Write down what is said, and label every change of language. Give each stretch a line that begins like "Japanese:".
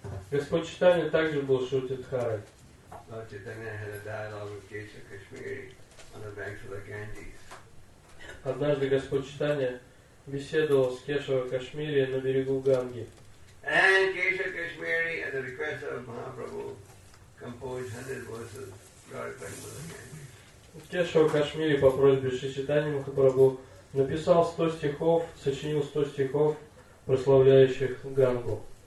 Russian: Господь Читания также был Шрутидхарой.
English: Lord Chaitanya had a dialogue with Kesha Kashmiri on the banks of the Ganges.
Russian: Однажды Господь Читания беседовал с Кешава Кашмири на берегу Ганги.
English: And Kesha Kashmiri, at the request of Mahaprabhu, composed 100 verses glorifying the Ganges.
Russian: Кешава Кашмири по просьбе Шри Читани Махапрабху написал 100 стихов, сочинил 100 стихов, прославляющих Гангу.